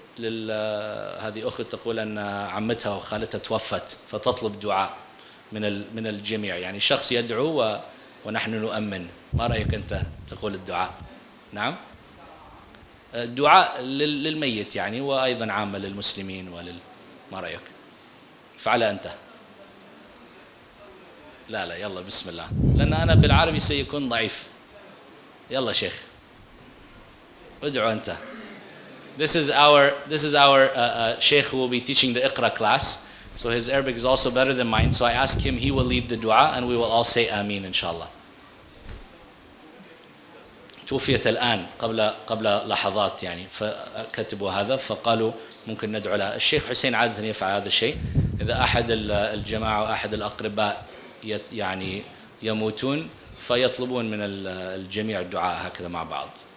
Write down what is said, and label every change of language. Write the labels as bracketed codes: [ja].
[ar] هذه أخي تقول أن عمتها وخالتها توفت فتطلب دعاء من الجميع يعني شخص يدعو ونحن نؤمن ما رأيك أنت تقول الدعاء نعم دعاء للميت يعني وأيضا عامة للمسلمين ولل ما رأيك فعل أنت لا لا يلا بسم الله لأن أنا بالعربي سيكون ضعيف يلا شيخ ادعو أنت. [en] This is our Sheikh who will be teaching the Iqra class. So his Arabic is also better than mine. So I ask him, he will lead the dua and we will all say Ameen, inshallah. [ar] توفيت الآن قبل لحظات يعني فكتبوا هذا فقالوا ممكن ندعو لها. الشيخ حسين عادة يفعل هذا الشيء. إذا أحد الجماعة وأحد الأقرباء يعني يموتون فيطلبون من الجميع الدعاء هكذا مع بعض.